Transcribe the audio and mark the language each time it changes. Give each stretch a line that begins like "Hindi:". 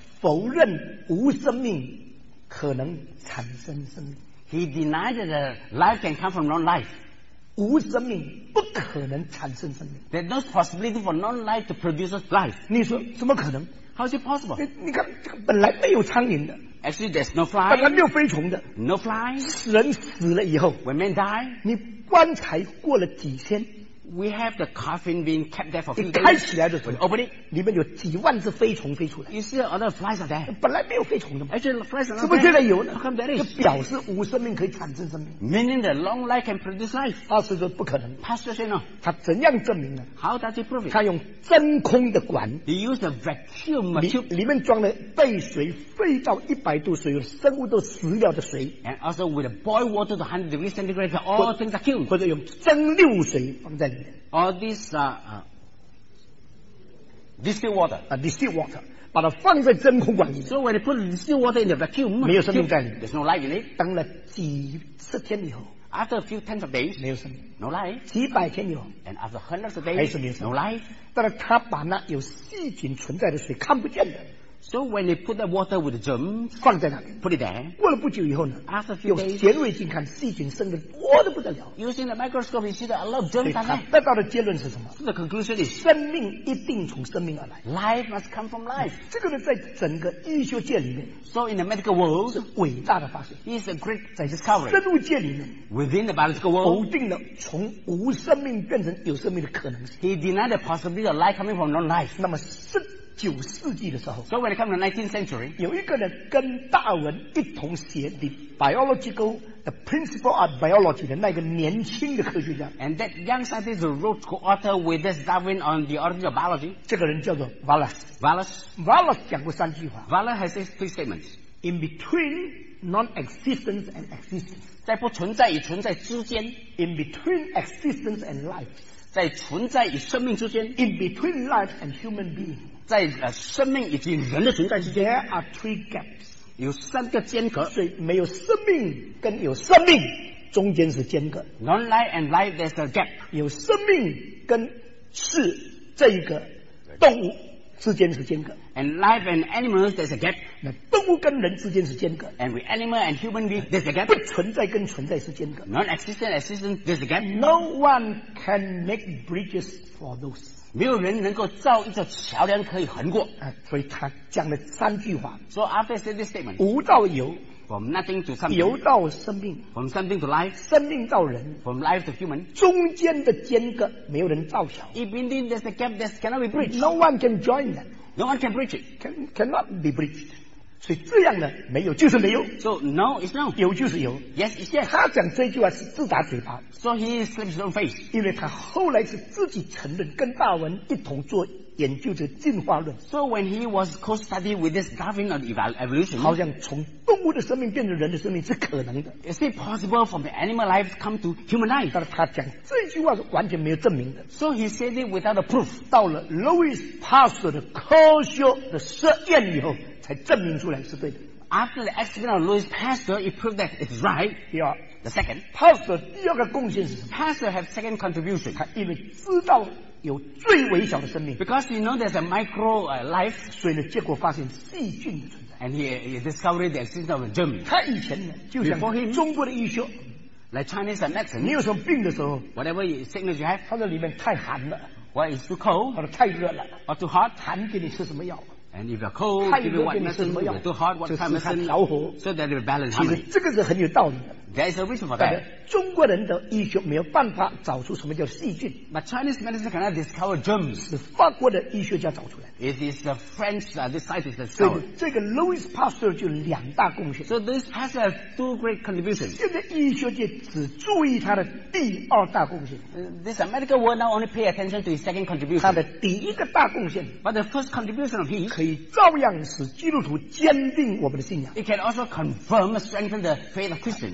Chinese: 否认无生命可能产生生命
English: He denied that life can come from non-life
Chinese: 无生命不可能产生生命
English: There's no possibility for non-life to produce life
Chinese: 你说怎么可能
English: How is it possible?
Chinese: 你看，这个本来没有苍蝇的。
English: Actually, there's no fly.
Chinese: 本来没有飞虫的。
English: No fly.
Chinese: 死人死了以后
English: ，When man die,
Chinese: 你棺材过了几天
English: ，We have the coffin being kept there for few days.
Chinese: 你开起来的时候
English: ，Open it.
Chinese: 里面有几万只飞虫飞出来。
English: You see, other flies are there.
Chinese: 本来没有飞虫的嘛。
English: Actually, flies are not
Chinese: there. 是不是现在有呢
English: ？How come there is?
Chinese: 就表示无生命可以产生生命。
English: Meaning that long life can produce life.
Chinese: 他是说不可能。
English: Pastor said no.
Chinese: 他怎样证明呢
English: ？How does he prove it?
Chinese: 他用真空的管
English: ，He used a vacuum tube.
Chinese: 里面装了被水沸到100度，所有生物都死掉的水。
English: And also with a boiled water to 100 degrees centigrade, all things are killed.
Chinese: 或者用蒸馏水放在里面。
English: All these distilled water. Distilled water.
Chinese: 把它放在真空管里面。
English: So when they put distilled water in the vacuum,
Chinese: 没有生命在里
English: 面。There's no life in it.
Chinese: 等了几十天以后。
English: After a few tens of days,
Chinese: 没有生命。
English: No life.
Chinese: 几百天以后。
English: And after hundreds of days,
Chinese: 还是没有生命。
English: No life.
Chinese: 但是他把那有细菌存在的水看不见的。
English: So when they put the water with the germ,
Chinese: 放在那里
English: ，put it there.
Chinese: 过了不久以后呢
English: ，after a few
Chinese: 用显微镜看细菌生的多得不得了。
English: Using the microscope, you see that a lot of germs are there.
Chinese: 得到的结论是什么
English: ？The conclusion is
Chinese: 生命一定从生命而来。
English: Life must come from life.
Chinese: 这个呢，在整个医学界里面
English: ，so in the medical world
Chinese: 是伟大的发现。
English: It's a great discovery.
Chinese: 生物界里面
English: ，within the biological world
Chinese: 否定了从无生命变成有生命的可能性。
English: He denied the possibility of life coming from non-life.
Chinese: 那么是。九世纪的时候
English: ，So when it comes to the 19th century，
Chinese: 有一个人跟达尔文一同写
English: 《The Biological The Principle of Biology》
Chinese: 的那个年轻的科学家
English: ，And that young scientist wrote co-author with this Darwin on the Origin of Biology。
Chinese: 这个人叫做 Wallace。
English: Wallace。
Chinese: Wallace 讲过三句话。
English: Wallace has these three statements。 In between non-existence and existence，
Chinese: 在不存在与存在之间
English: ，In between existence and life，
Chinese: 在存在与生命之间
English: ，In between life and human being。
Chinese: 在生命以及人的存在之间
English: ，There are three gaps，
Chinese: 有三个间隔。所以没有生命跟有生命中间是间隔。
English: Non-life and life there's a gap，
Chinese: 有生命跟是这一个动物之间是间隔。
English: And life and animals there's a gap，
Chinese: 那动物跟人之间是间隔。
English: And with animal and human being there's a gap，
Chinese: 不存在跟存在是间隔。
English: Non-existent and existent there's a gap， No one can make bridges for those。
Chinese: 没有人能够造一座桥梁可以横过、所以他讲了三句话
English: So after said this statement
Chinese: 无到有
English: From nothing to something
Chinese: 有到生命
English: From something to life
Chinese: 生命到人
English: From life to human
Chinese: 中间的间隔没有人造桥
English: If indeed there's a gap that cannot be bridged No one can join them No one can bridge it cannot be bridged
Chinese: 所以这样呢没有就是没有
English: So no is no
Chinese: 有就是有
English: Yes is yes
Chinese: 他讲这句话是自打嘴巴
English: So he slaps his own face
Chinese: 因为他后来是自己承认跟达尔文一同做研究的进化论
English: So when he was co-study with this Darwin of evolution
Chinese: 好像从动物的生命变成人的生命是可能的
English: Is it possible for the animal life come to human life
Chinese: 但是他讲这句话是完全没有证明的
English: So he said it without a proof
Chinese: 到了 Louis Pasteur 的科学的实验以后才证明出来是对的
English: After the experiment of Louis Pasteur he proved that it's right Yeah The second
Chinese: Pasteur 第二个贡献是什么
English: Pasteur have second contribution
Chinese: 他因为知道有最微小的生命
English: Because you know there's a micro life
Chinese: 所以呢结果发现细菌的存在
English: And he discovered the existence of a germ
Chinese: 他以前呢就像中国的医学
English: Like Chinese medicine
Chinese: 你有什么病的时候
English: Whatever sickness you have
Chinese: 他说里面太寒了
English: Well it's too cold
Chinese: 或者太热了
English: Or too hot
Chinese: 寒给你吃什么药
English: And if you're cold, give you what medicine, too hot, what kind of medicine, so that you balance harmony.
Chinese: 其实这个是很有道理的。
English: There is a reason for that.
Chinese: 中国人的医学没有办法找出什么叫细菌。
English: But Chinese medicine cannot discover germs.
Chinese: 是法国的医学家找出来。
English: It is the French this scientist discovered.
Chinese: 这个 Louis Pasteur 就两大贡献。
English: So this Pasteur has two great contributions.
Chinese: 现在医学界只注意他的第二大贡献。
English: This medical world now only pay attention to his second contribution.
Chinese: 他的第一个大贡献。
English: But the first contribution of his
Chinese: 可以照样使基督徒坚定我们的信仰。
English: It can also confirm and strengthen the faith of Christians.